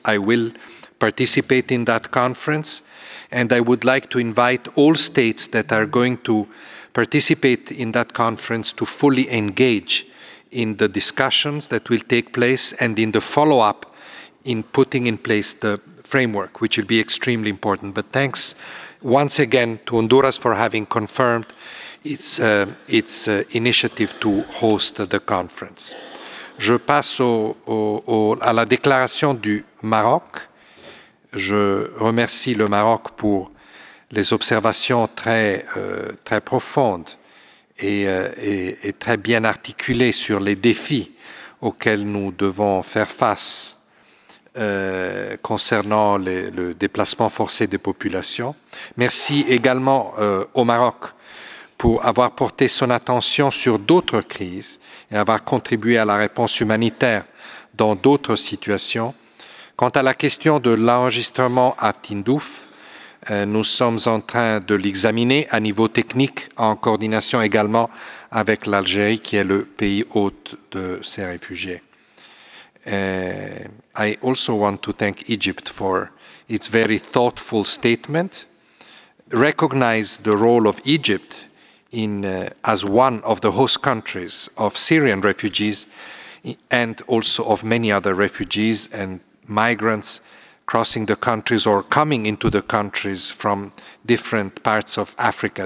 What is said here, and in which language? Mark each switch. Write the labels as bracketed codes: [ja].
[en] I will participate in that conference, and I would like to invite all states that are going to participate in that conference to fully engage in the discussions that will take place and in the follow-up in putting in place the framework, which will be extremely important. But thanks once again to Honduras for having confirmed its initiative to host the conference. [fr] Je passe à la déclaration du Maroc. Je remercie le Maroc pour les observations très très profondes et très bien articulées sur les défis auxquels nous devons faire face concernant le déplacement forcé des populations. Merci également au Maroc pour avoir porté son attention sur d'autres crises et avoir contribué à la réponse humanitaire dans d'autres situations. Quant à la question de l'enregistrement à Tindouf, nous sommes en train de l'examiner à niveau technique, en coordination également avec l'Algérie, qui est le pays hôte de ces réfugiés. [en] I also want to thank Egypt for its very thoughtful statement, recognize the role of Egypt in as one of the host countries of Syrian refugees and also of many other refugees and migrants crossing the countries or coming into the countries from different parts of Africa.